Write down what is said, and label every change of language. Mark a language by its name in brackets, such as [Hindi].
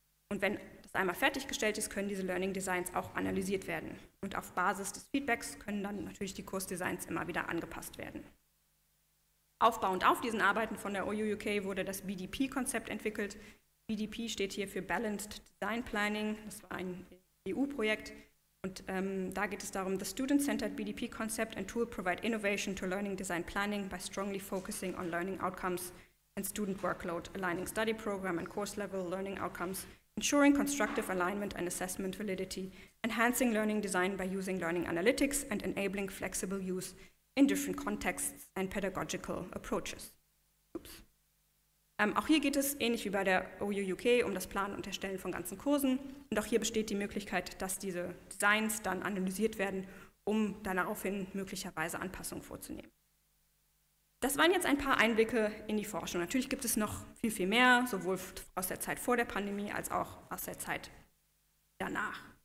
[German] Und wenn das einmal fertiggestellt ist, können diese Learning Designs auch analysiert werden. Und auf Basis des Feedbacks können dann natürlich die Kursdesigns immer wieder angepasst werden. Aufbauend auf diesen Arbeiten von der OU UK wurde das BDP-Konzept entwickelt. BDP steht hier für Balanced Design Planning, das war ein EU-Projekt. Und da geht es darum, [English] the student-centered BDP-Concept and tool provide innovation to learning design planning by strongly focusing on learning outcomes and student workload, aligning study program and course level learning outcomes Ensuring constructive alignment and assessment validity, enhancing learning design by using learning analytics and enabling flexible use in different contexts and pedagogical approaches. Oops. [German] Auch hier geht es, ähnlich wie bei der OU UK, um das Planen und Erstellen von ganzen Kursen. Und auch hier besteht die Möglichkeit, dass diese Designs dann analysiert werden, um daraufhin möglicherweise Anpassungen vorzunehmen. Das waren jetzt ein paar Einblicke in die Forschung. Natürlich gibt es noch viel, viel mehr, sowohl aus der Zeit vor der Pandemie als auch aus der Zeit danach.